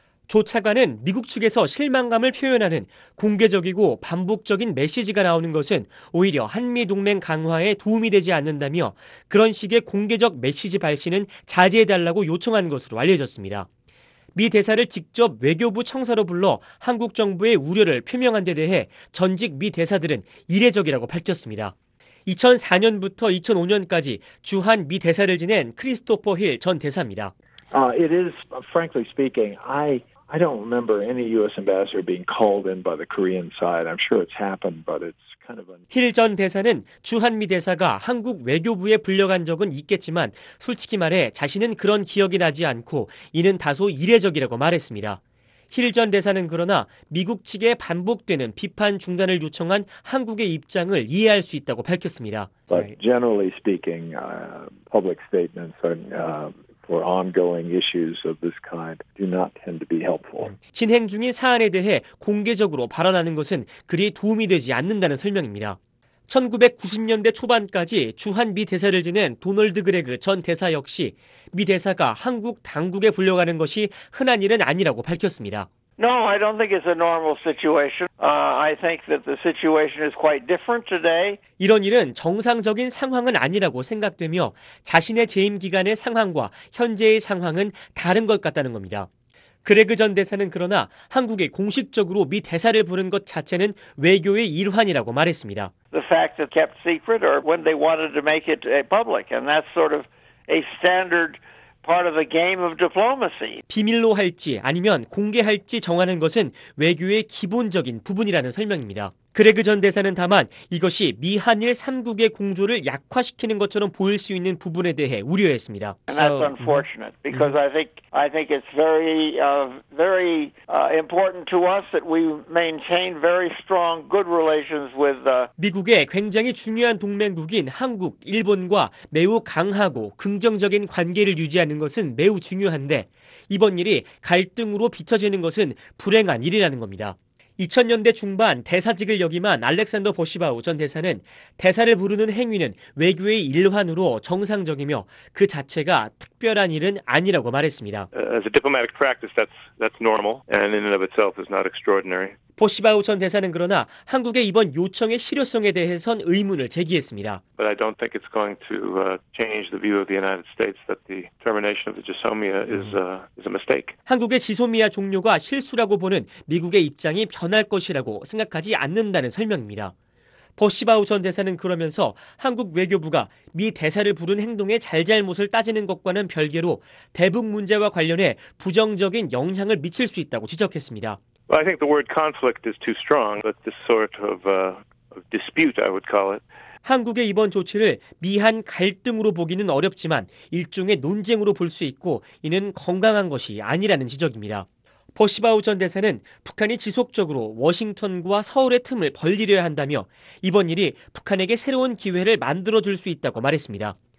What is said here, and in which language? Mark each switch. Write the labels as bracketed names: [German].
[Korean] 조 차관은 미국 측에서 실망감을 표현하는 공개적이고 반복적인 메시지가 나오는 것은 오히려 한미동맹 강화에 도움이 되지 않는다며 그런 식의 공개적 메시지 발신은 자제해달라고 요청한 것으로 알려졌습니다. 미 대사를 직접 외교부 청사로 불러 한국 정부의 우려를 표명한 데 대해 전직 미 대사들은 이례적이라고 밝혔습니다. 2004년부터 2005년까지 주한 미 대사를 지낸 크리스토퍼 힐 전 대사입니다. [English] It is, frankly speaking, I don't remember any U.S. ambassador being called in by the Korean side. I'm sure it's happened, but it's kind of. [Korean] 힐 전 대사는 주한미 대사가 한국 외교부에 불려간 적은 있겠지만 솔직히 말해 자신은 그런 기억이 나지 않고 이는 다소 이례적이라고 말했습니다. 힐 전 대사는 그러나 미국 측의 반복되는 비판 중단을 요청한 한국의 입장을 이해할 수 있다고 밝혔습니다. [English] But generally speaking, public statements are. For ongoing issues of this kind do not tend to be helpful. [Korean] 진행 중인 사안에 대해 공개적으로 발언하는 것은 그리 도움이 되지 않는다는 설명입니다. 1990년대 초반까지 주한 미 대사를 지낸 도널드 그레그 전 대사 역시 미 대사가 한국 당국에 불려가는 것이 흔한 일은 아니라고 밝혔습니다. [English] No, I don't think it's a normal situation. I think that the situation is quite different today. [Korean] 이런 일은 정상적인 상황은 아니라고 생각되며 자신의 재임 기간의 상황과 현재의 상황은 다른 것 같다는 겁니다. 그레그 전 대사는 그러나 한국에 공식적으로 미 대사를 부른 것 자체는 외교의 일환이라고 말했습니다. [English] The fact that kept secret or when they wanted to make it public and that's sort of a standard part of a game of diplomacy. [Korean] 비밀로 할지 아니면 공개할지 정하는 것은 외교의 기본적인 부분이라는 설명입니다. 그레그 전 대사는 다만 이것이 미한일 3국의 공조를 약화시키는 것처럼 보일 수 있는 부분에 대해 우려했습니다. [English] And that's unfortunate because I think it's very very important to us that we maintain very strong good relations with [Korean] 미국의 굉장히 중요한 동맹국인 한국, 일본과 매우 강하고 긍정적인 관계를 유지하는 것은 매우 중요한데 이번 일이 갈등으로 비춰지는 것은 불행한 일이라는 겁니다. 2000년대 중반 대사직을 역임한 알렉산더 보시바우 전 대사는 대사를 부르는 행위는 외교의 일환으로 정상적이며 그 자체가 특별한 일은 아니라고 말했습니다. [English] As a diplomatic practice, that's normal and in and of itself is not extraordinary. [Korean] 보시바우 전 대사는 그러나 한국의 이번 요청의 실효성에 대해선 의문을 제기했습니다. [English] But I don't think it's going to change the view of the United States that the termination of the Trisomia is a mistake. [Korean] 한국의 지소미아 종료가 실수라고 보는 미국의 입장이 변할 것이라고 생각하지 않는다는 설명입니다. 보시바우 전 대사는 그러면서 한국 외교부가 미 대사를 부른 행동의 잘잘못을 따지는 것과는 별개로 대북 문제와 관련해 부정적인 영향을 미칠 수 있다고 지적했습니다. [English] Well, I think the word conflict is too strong, but this sort of dispute, I would call it. [Korean] 한국의 이번 조치를 미한 갈등으로 보기는 어렵지만 일종의 논쟁으로 볼 수 있고 이는 건강한 것이 아니라는 지적입니다. 보시바우 전 대사는 북한이 지속적으로 워싱턴과 서울의 틈을 벌리려 한다며 이번 일이 북한에게 새로운 기회를 만들어줄 수 있다고 말했습니다.